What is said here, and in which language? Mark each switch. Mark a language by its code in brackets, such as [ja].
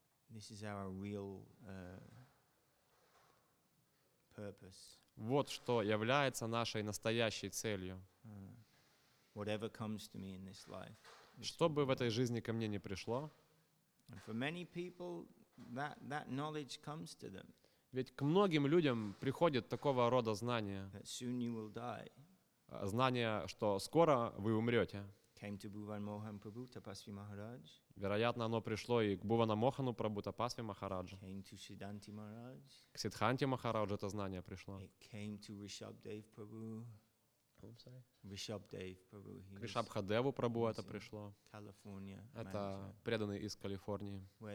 [en] This is our real purpose. [ru] Вот что является нашей настоящей целью. [en] Whatever comes to me in this life. [ru] Что бы в этой жизни ко мне ни пришло. [en] And for many people, that knowledge comes to them. [ru] Ведь к многим людям приходит такого рода знание. [en] That soon you will die. [ru] Знание, что скоро вы умрете. [en] Came to Bhuvan Mohan Prabhu Tapasvi Maharaj. [ru] Вероятно, оно пришло и к Бувана Мохану Прабху Тапасви Махараджу. [en] Came to Siddhanti Maharaj. [ru] К Сиддханте Махараджу это знание пришло. [en] It came to Rishabdev Prabhu. [ru] Ришабхадеву Прабху, Ришабхадеву Прабху это пришло. [en] California, [ru] это преданный из Калифорнии.